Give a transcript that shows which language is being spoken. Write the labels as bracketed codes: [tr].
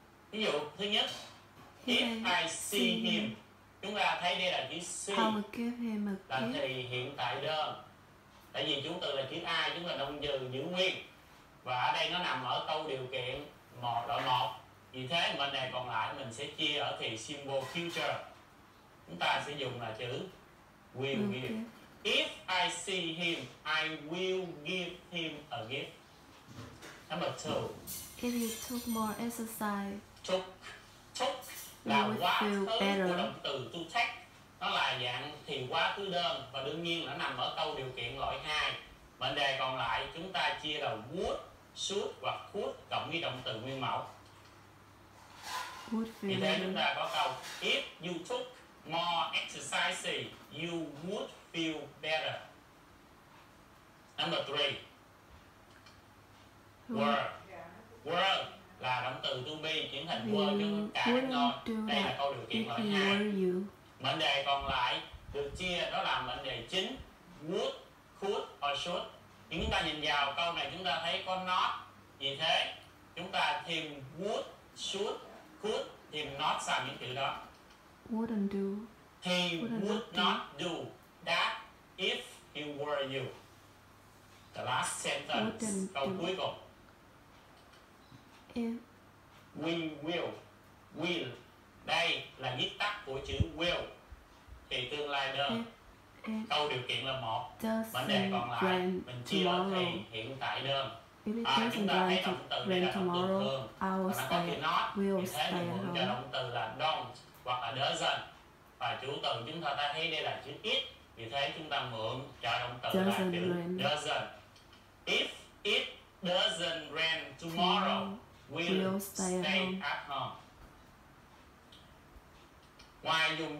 [vi] Ví dụ thứ nhất, [en] if I see him, [vi] chúng ta thấy đây là chữ see, là thì hiện tại đơn, tại vì chủ từ là chữ I, chúng ta động từ giữ nguyên. Và ở đây nó nằm ở câu điều kiện một loại 1. Vì thế bên này còn lại mình sẽ chia ở thì symbol future. Chúng ta sẽ dùng là chữ will give. [en] If I see him, I will give him a gift. Number 2. If you took more exercise. [vi] Took là quá khứ better. Của động từ to take. Nó là dạng thì quá khứ đơn. Và đương nhiên nó nằm ở câu điều kiện loại 2. Mệnh đề còn lại chúng ta chia là would, should hoặc could cộng với động từ nguyên mẫu. [en] Would feel. [vi] Vì thế chúng ta có câu [en] if you took more exercise, you would feel better. Number 3. [vi] Were là động từ to be chuyển thành were cho cả các ngôi. Đây là câu điều kiện loại 2. Mệnh đề còn lại được chia đó là mệnh đề chính would, could or should. Nhưng chúng ta nhìn vào câu này chúng ta thấy có not. Vì thế chúng ta thêm would, should, could, thêm not sau những chữ đó. [en] Wouldn't do. He would not do that if he were you. The last sentence, [vi] câu cuối cùng. We will. Will. Đây là viết tắt của chữ will. Thì tương lai đơn. Câu điều kiện là một, mệnh đề còn lại mình chia ở thì hiện tại đơn. À, chúng ta thấy động từ đây là động từ thường và nó có chữ not, vì thế mình muốn cho động từ là don't hoặc là doesn't. Và chủ từ chúng ta thấy đây là chữ it, vì thế chúng ta mượn cho động từ là chữ doesn't. [en] If it doesn't rain tomorrow, we'll stay at home. [vi] Ngoài dùng chữ